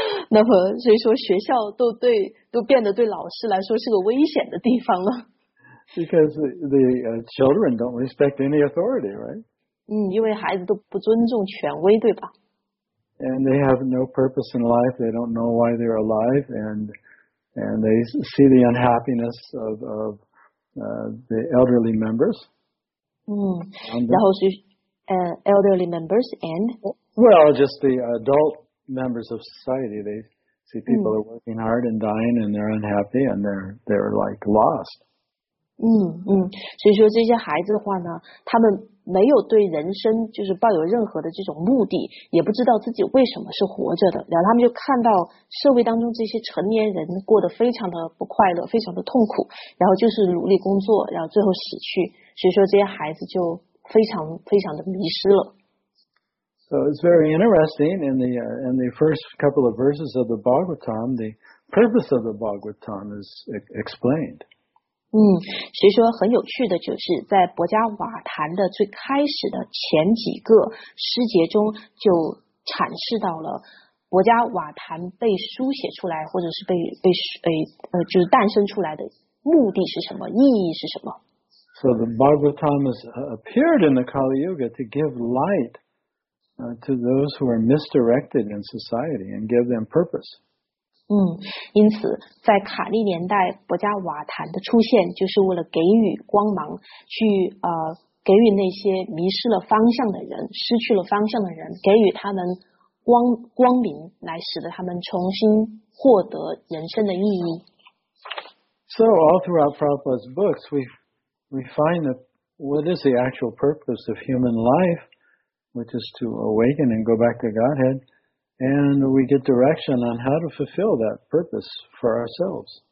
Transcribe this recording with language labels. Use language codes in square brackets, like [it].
[zh] 那么所以说学校都变得对老师来说是个危险的地方了。 [en] Because the children don't respect any authority, right? [zh] 因为孩子都不尊重权威，对吧？ [en] And they have no purpose in life. They don't know why they're alive. And they see the unhappiness of the elderly members. [zh] 然后是 [en] elderly members and? Well, just the adult members of society, they see people are working hard and dying, and they're unhappy, and they're like lost. [zh] 所以说这些孩子的话呢，他们没有对人生就是抱有任何的这种目的，也不知道自己为什么是活着的。然后他们就看到社会当中这些成年人过得非常的不快乐，非常的痛苦，然后就是努力工作，然后最后死去。所以说这些孩子就非常非常的迷失了。 [en] So it's very interesting in the first couple of verses of the Bhagavatam, the purpose of the Bhagavatam is explained. [zh] 所以说很有趣的就是在《薄伽瓦坛》的最开始的前几个诗节中就阐释到了博迦瓦坛被书写出来，或者是就是诞生出来的目的是什么，意义是什么。 [en] So the Bhagavatam has appeared in the Kali Yuga to give light to those who are misdirected in society and give them purpose. [zh] 因此在卡利年代博迦瓦坛的出现就是为了给予光芒，去给予那些迷失了方向的人，失去了方向的人，给予他们光明，来使得他们重新获得人生的意义。 [en] So all throughout Prabhupada's books, we find that what is the actual purpose of human life, which is to awaken and go back to Godhead, and we get direction on how to fulfill that purpose for ourselves.